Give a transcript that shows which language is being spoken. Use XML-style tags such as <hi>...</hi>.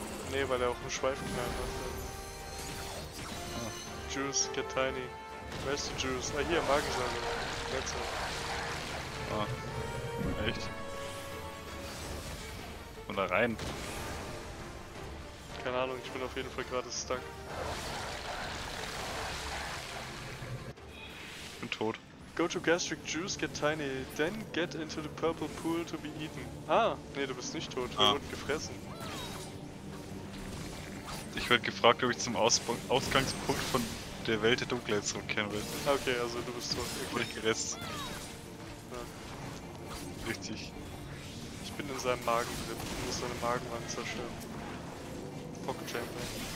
<de>Nee, weil er auch einen Schweifenknall hat. Ah.</de> <en>Juice, get tiny. Where</en> <de>ist die Juice? Ah, hier, Magensäure. Letzte. Ah. Echt? Und da rein? Keine Ahnung, ich bin auf jeden Fall gerade stuck. Ich bin tot.</de> <en>Go to gastric juice, get tiny, then get into the purple pool to be eaten.</en> <de>Ah, nee, du bist nicht tot, du wurdest gefressen. Ich werde gefragt, ob ich zum Ausgangspunkt von der Welt der Dunkelheit zurückkehren will. Okay, also du bist tot. Okay. Wurde ich gerettet. Ja. Richtig. Ich bin in seinem Magen drin, ich muss seine Magenwand zerstören. Pocket Champion.</de>